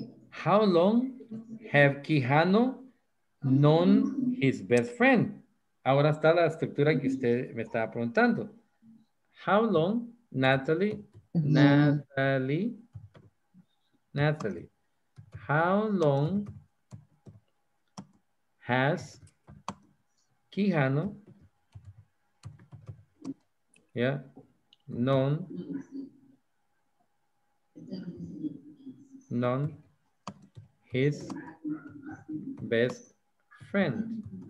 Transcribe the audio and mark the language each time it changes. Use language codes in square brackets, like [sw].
[en] How long have Quijano known his best friend? [es] Ahora está la estructura que usted me estaba preguntando. [en] How long, Natalie, how long has Quijano known his best friend?